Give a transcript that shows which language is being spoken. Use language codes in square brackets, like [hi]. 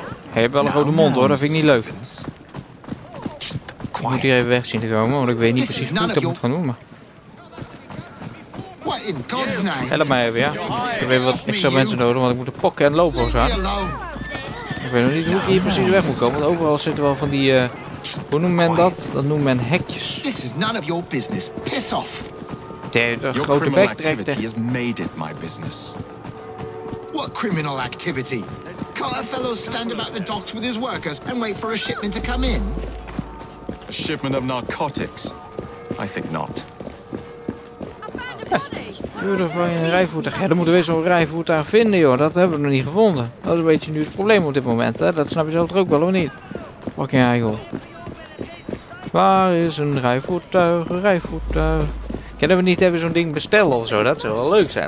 [nl] Hij heeft wel een grote mond, hoor. Dat vind ik niet leuk. Ik moet hier even weg zien te komen, want ik weet niet precies hoe ik dat moet gaan doen. [en] What in God's name? [nl] Help mij even, ja. Ik heb even wat extra mensen nodig, want ik moet de pokken en lopen of zo. Ik weet nog niet hoe ik hier precies weg moet komen, want overal zitten wel van die... Hoe noemt men dat? Dat noemt men hekjes. [en] This is none of your business. Piss off. [nl] De grote bek trekt. [en] Your criminal activity has made it my business. What criminal activity? Can't a fellow stand about the docks with his workers and wait for a shipment to come in? A shipment of narcotics? I think not. [nl] Huurder van je een rijvoertuig. Ja, dan moeten we zo'n rijvoertuig vinden, joh. Dat hebben we nog niet gevonden. Dat is een beetje nu het probleem op dit moment, hè. Dat snap je zelf ook wel, of niet? Oké, ja, joh. Waar is een rijvoertuig? Een rijvoertuig. Kunnen we niet even zo'n ding bestellen of zo? Dat zou wel leuk zijn.